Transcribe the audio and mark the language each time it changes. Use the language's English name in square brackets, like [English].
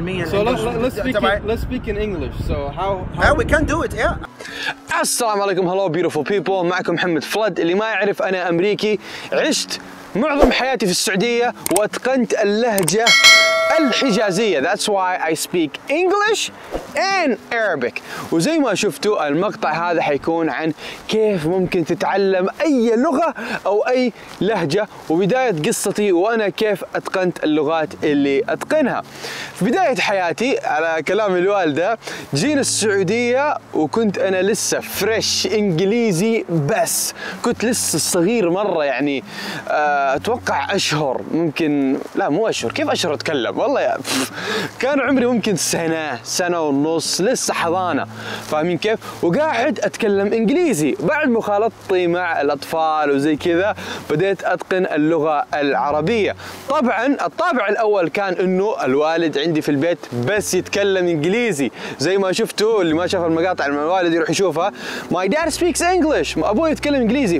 [English] so let's speak in English so how we can do it yeah. [Arabic] السلام عليكم. [English] hello beautiful people, [Arabic] معكم محمد فلد. اللي ما يعرف انا امريكي, عشت معظم حياتي في السعوديه واتقنت اللهجه الحجازيه. [English] That's why I speak English and Arabic. [Arabic] وزي ما شفتوا المقطع هذا حيكون عن كيف ممكن تتعلم اي لغه او اي لهجه وبدايه قصتي وانا كيف اتقنت اللغات اللي اتقنها. في بدايه حياتي على كلام الوالده جينا السعوديه وكنت انا لسه فريش انجليزي, بس كنت لسه صغير مره يعني اتوقع اشهر ممكن, لا مو اشهر, كيف اشهر اتكلم والله يا كان عمري ممكن سنة ونص, لسه حضانة فاهمين كيف, وقاعد أتكلم إنجليزي. بعد مخالطتي مع الأطفال وزي كذا بديت أتقن اللغة العربية. طبعا الطابع الأول كان أنه الوالد عندي في البيت بس يتكلم إنجليزي, زي ما شفتوا اللي ما شاف المقاطع مع الوالد يروح يشوفها. [English] My dad speaks English, [Arabic] أبوي يتكلم إنجليزي.